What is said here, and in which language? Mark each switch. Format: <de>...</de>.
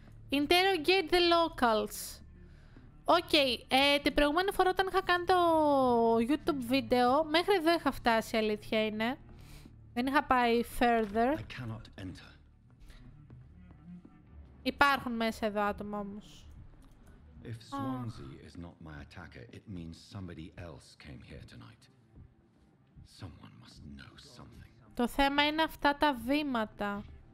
<en>Interrogate the locals.</en> <el>Okay, την προηγούμενη φορά όταν είχα κάνει το YouTube βίντεο, μέχρι εδώ είχα φτάσει, αλήθεια είναι. Δεν είχα πάει</el> <en>further. I cannot enter.</en> <el>Υπάρχουν μέσα εδώ άτομα όμως.</el> <en>If Swansea is not my attacker, it means somebody else came here tonight. Someone must know something.</en> <el>Το θέμα είναι αυτά τα βήματα.</el>